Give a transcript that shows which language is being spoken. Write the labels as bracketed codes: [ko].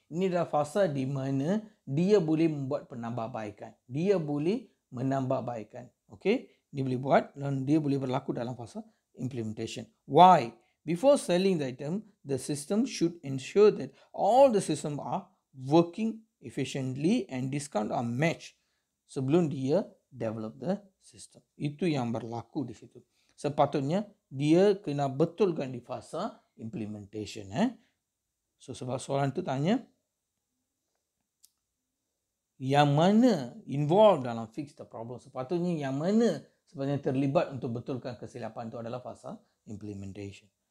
[ms] Ini adalah fasa di mana dia boleh membuat penambahbaikan. Dia boleh menambahbaikan. Okay, dia boleh buat dan dia boleh berlaku dalam fasa implementation. [en] Why? Before selling the item, the system should ensure that all the system are working efficiently and discount are matched [ms] sebelum dia [en] develop the system. [ms] Itu yang berlaku di situ. Sepatutnya dia kena betulkan di fasa implementation. So sebab soalan tu tanya, yang mana involved dalam [en] fix the problem? [ms] Sepatutnya yang mana sebenarnya terlibat untuk betulkan kesilapan itu adalah fasa implementation.